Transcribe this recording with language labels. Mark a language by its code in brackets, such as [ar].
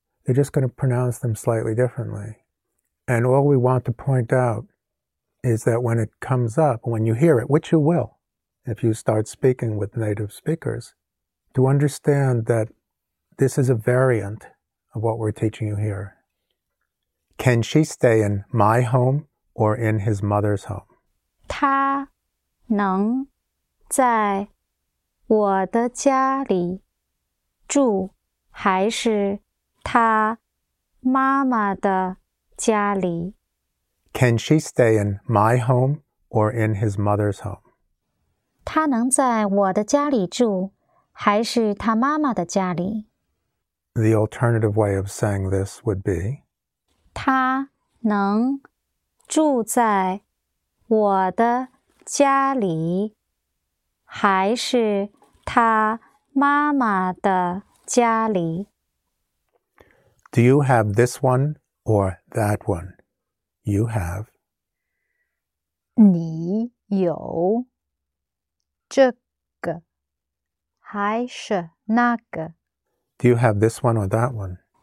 [en] They're just going to pronounce them slightly differently. And all we want to point out is that when it comes up, when you hear it, which you will,if you start speaking with native speakers, to understand that this is a variant of what we're teaching you here. Can she stay in my home or in his mother's home? [zh] 她能在我的家里住还是她妈妈的家里? [en] Can she stay in my home or in his mother's home? [zh] 她能在我的家里住还是她妈妈的家里? [en] The alternative way of saying this would be [zh] 她能住在我的家里还是她妈妈的家里? [en] Do you have this one or that one? You have [zh] 你有这个还是那个? [en] Do you have this one or that one?